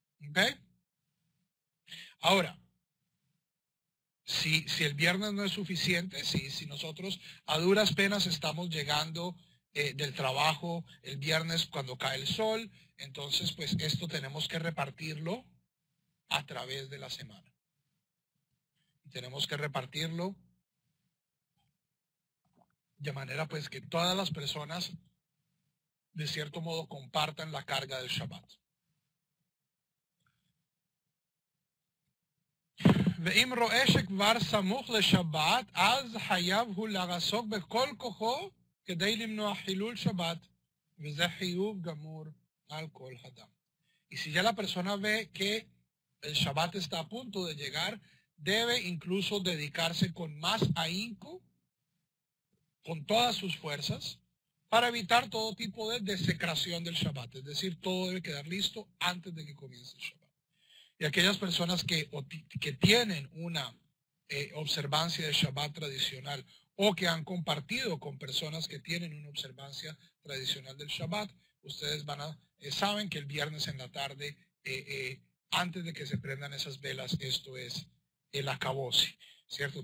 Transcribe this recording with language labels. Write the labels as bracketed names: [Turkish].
[Spanish] ¿Ok? Ahora, si el viernes no es suficiente, si nosotros a duras penas estamos llegando del trabajo el viernes cuando cae el sol, entonces pues esto tenemos que repartirlo a través de la semana. Tenemos que repartirlo de manera pues que todas las personas de cierto modo compartan la carga del Shabbat. [Hebrew] ואם רואה שכבר סמוך לשבת, אז חייב הוא לעסוק בכל כוחו כדי למנוע חילול שבת, וזה חיוב גמור על כל אדם. [Spanish] Y si ya la persona ve que el Shabbat está a punto de llegar, debe incluso dedicarse con más ahínco, con todas sus fuerzas, para evitar todo tipo de desecración del Shabbat. Es decir, todo debe quedar listo antes de que comience el Shabbat. Y aquellas personas que tienen una observancia de Shabbat tradicional o que han compartido con personas que tienen una observancia tradicional del Shabbat, ustedes van a saben que el viernes en la tarde, antes de que se prendan esas velas, esto es el acabose, ¿cierto?